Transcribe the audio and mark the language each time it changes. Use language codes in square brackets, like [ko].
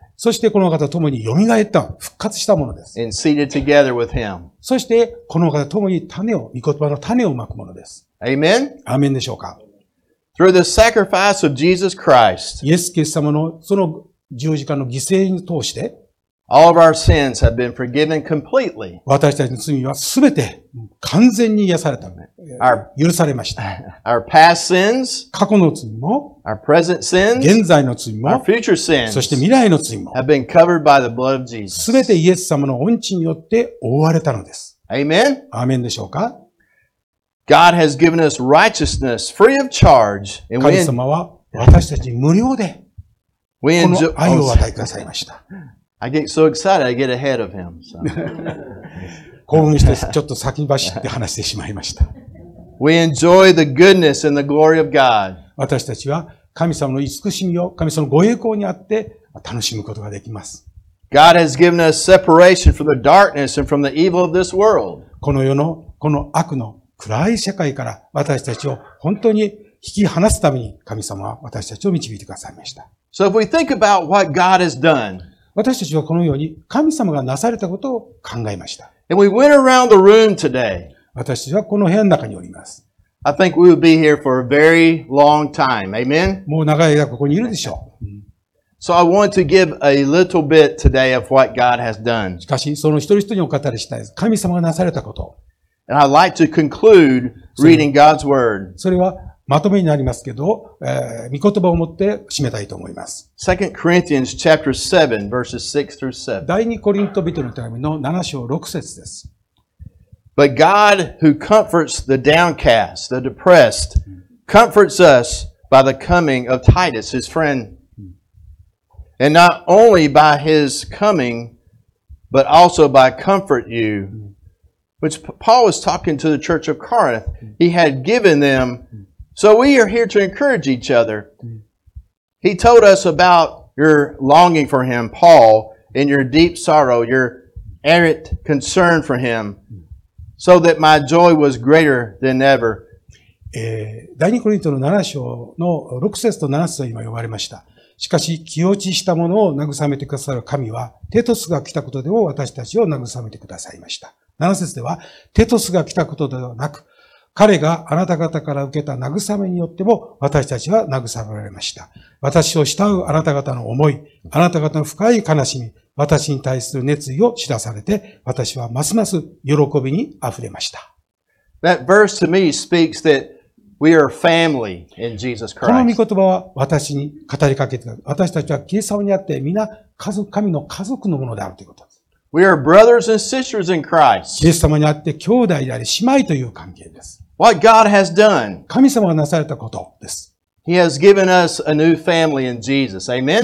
[ja] そしてこの方と共に蘇った、復活したものです。 [en] And seated together with him. [ja] そしてこの方と共に種を、御言葉の種をまくものです。 [en] Amen? [ja] アーメンでしょうか。 [en] Through the sacrifice of Jesus Christ, [ja] イエス・キリスト様のその十字架の犠牲に通して、 [en] All of our sins have been forgiven completely. [ja] 私たちの罪はすべて完全に癒された。許されました。 [en] Our past sins, [ja] 過去の罪も、 [en] our present sins, [ja] 現在の罪も、 [en] our future sins, [ja] そして未来の罪も、 [en] have been covered by the blood of Jesus. [ja] すべてイエス様の恩賜によって覆われたのです。 [en] Amen? [ja] アーメンでしょうか。 [en] God has given us righteousness free of charge. [ja] 神様は私たちに無料でこの愛を与えてくださいました。 [en] I get so excited, I get ahead of him. [ja] 興奮してちょっと先走って話してしまいました。 [en] We enjoy the goodness and the glory of God. [ja] 私たちは神様の慈しみを、神様のご栄光にあって楽しむことができます。 [en] God has given us separation from the darkness and from the evil of this world. [ja] この世の、この悪の暗い世界から私たちを本当に引き離すために神様は私たちを導いてくださいました。 [en] So if we think about what God has done, [ja] 私たちはこのように神様がなされたことを考えました。 [en] And we went around the room today. [ja] 私はこの部屋の中におります。 [en] I think we will be here for a very long time. Amen? [ja] もう長い間ここにいるでしょう。 [en] So I want to give a little bit today of what God has done. [ja] しかしその一人一人にお語りしたいです。神様がなされたこと。 [en] And I'd like to conclude reading God's word. [ja] それはまとめになりますけど、御言葉を持って締めたいと思います。 [en] 2 Corinthians chapter 7 verses 6 through 7. [ja] 第2コリント人の手紙の7章6節です。 [en] But God who comforts the downcast, the depressed, comforts us by the coming of Titus, his friend. And not only by his coming, but also by comfort you. Which Paul was talking to the church of Corinth, he had given them. So we are here to encourage each other. He told us about your longing for him, Paul, and your deep sorrow, your errant concern for him, so that my joy was greater than ever. [ja] 第二コリントの7章の6節と7節は今呼ばれました。しかし、気落ちしたものを慰めてくださる神は、テトスが来たことでも私たちを慰めてくださいました。 7節では、テトスが来たことではなく、彼があなた方から受けた慰めによっても、私たちは慰められました。私を慕うあなた方の思い、あなた方の深い悲しみ、私に対する熱意を知らされて、私はますます喜びに溢れました。 [en] That verse to me speaks that we are family in Jesus Christ. [ja] この御言葉は私に語りかけてる。私たちはキリスト様にあって、皆家族、神の家族のものであるということです。 [en] We are brothers and sisters in Christ. [ja] イエス様にあって兄弟であり姉妹という関係です。 [en] What God has done. [ja] 神様がなされたことです。 [en] He has given us a new family in Jesus. Amen.